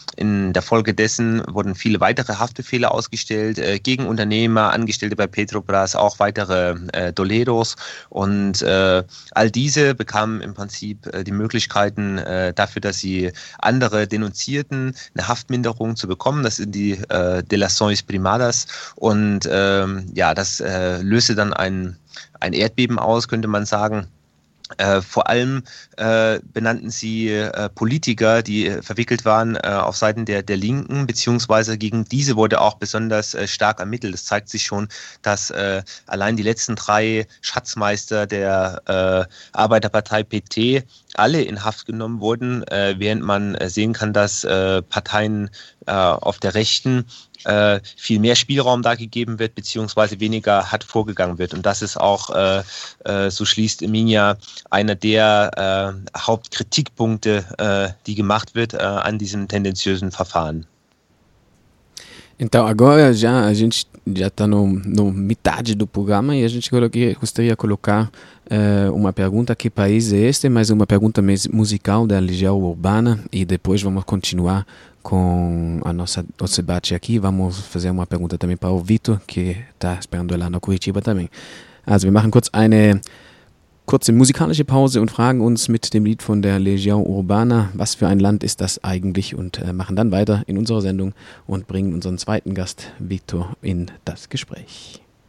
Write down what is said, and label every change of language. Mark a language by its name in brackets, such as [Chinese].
[German] In der Folge dessen wurden viele weitere Haftbefehle ausgestellt gegen Unternehmer, Angestellte bei Petrobras, auch weitere Doleros. Und all diese bekamen im Prinzip die Möglichkeiten dafür, dass sie andere Denunzierten eine Haftminderung zu bekommen. Das sind die Delações Primadas. Und das löste dann ein Erdbeben aus, könnte man sagen. Vor allem benannten sie Politiker, die verwickelt waren auf Seiten der Linken, beziehungsweise gegen diese wurde auch besonders stark ermittelt. Das zeigt sich schon, dass allein die letzten drei Schatzmeister der Arbeiterpartei PT alle in Haft genommen wurden, während man sehen kann, dass Parteien auf der Rechten viel mehr Spielraum da gegeben wird, beziehungsweise weniger hart vorgegangen wird. Und das ist auch, so schließt Minja, einer der Hauptkritikpunkte, die gemacht wird an diesem tendenziösen Verfahren. [Portuguese] Então, agora já a gente já está no metade do programa e a gente gostaria de colocar uma pergunta: que país é este? Mas uma pergunta musical da Legião Urbana, e depois vamos continuar com a nossa debate aqui. Vamos fazer uma pergunta também para o Vitor, que está esperando lá no Curitiba também. [German] Also, wir machen kurz eine kurze musikalische Pause und fragen uns mit dem Lied von der Legião Urbana, was für ein Land ist das eigentlich, und machen dann weiter in unserer Sendung und bringen unseren zweiten Gast Vitor in das Gespräch.